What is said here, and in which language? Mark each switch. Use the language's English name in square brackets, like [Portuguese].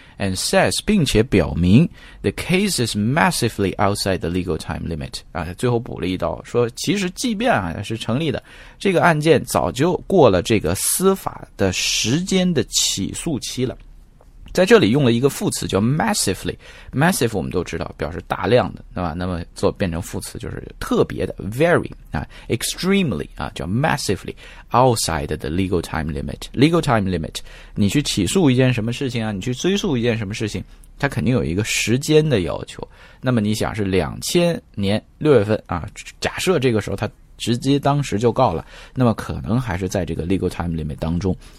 [English] And says [Chinese] 并且表明 [English] the case is massively outside the legal time limit [Chinese] 啊，最后补了一刀说其实即便啊是成立的，这个案件早就过了这个司法的时间的起诉期了。在这里用了一个副词叫 massively， massive 我们都知道表示大量的，对吧？那么做变成副词就是特别的 very 啊 extremely 啊，叫 [English] massively outside the legal time limit。 [Chinese] legal time limit 你去起诉一件什么事情啊，你去追诉一件什么事情，它肯定有一个时间的要求，那么你想是2000年6月份啊，假设这个时候它直接当时就告了，那么可能还是在这个 legal time limit 当中。